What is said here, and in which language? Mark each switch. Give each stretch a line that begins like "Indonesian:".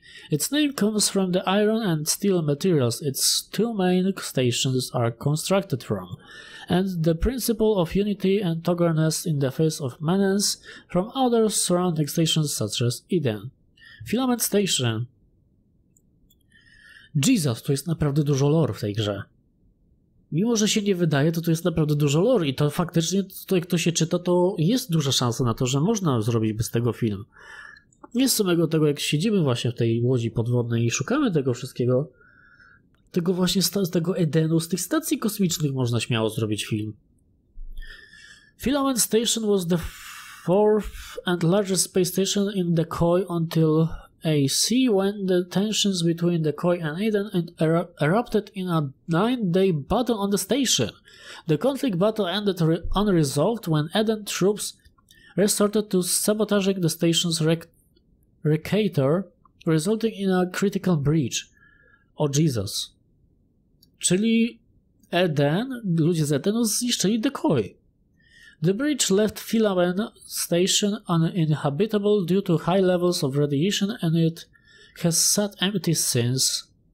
English: Its name comes from the iron and steel materials its two main stations are constructed from, and the principle of unity and togetherness in the face of menace from other surrounding stations such as Eden. Filament Station.
Polish: Jesus, tu jest naprawdę dużo lore w tej grze. Mimo, że się nie wydaje, to tu jest naprawdę dużo lore i to faktycznie, to jak to się czyta, to jest duża szansa na to, że można zrobić bez tego film. Nie z samego tego, jak siedzimy właśnie w tej łodzi podwodnej i szukamy tego wszystkiego, tylko właśnie z tego Edenu, z tych stacji kosmicznych można śmiało zrobić film.
English: Filament Station was the fourth and largest space station in the Koi until AC, when the tensions between the Koi and Eden erupted in a 9-day battle on the station. The conflict battle ended unresolved when Eden troops resorted to sabotaging the station's Recator, resulting in a critical breach. O Jesus.
Polish: Czyli Eden, ludzie z Edenu zniszczyli the Koi.
English: The breach left Filament Station uninhabitable due to high levels of radiation and it has sat empty since.